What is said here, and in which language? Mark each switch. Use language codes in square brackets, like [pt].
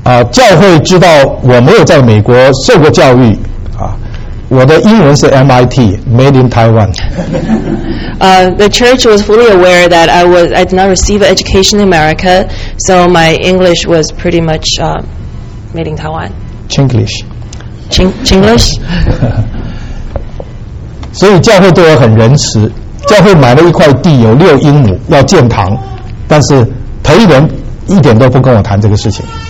[zh] 教会知道我没有在美国受过教育我的英文是 MIT [en] Made in Taiwan. The church was fully aware that I did not receive an education in America, so my English was pretty much made in Taiwan. Chinglish. Chinglish. [zh] 所以教会对我很仁慈，教会买了一块地有六英亩要建堂，但是培仁一点都不跟我谈这个事情。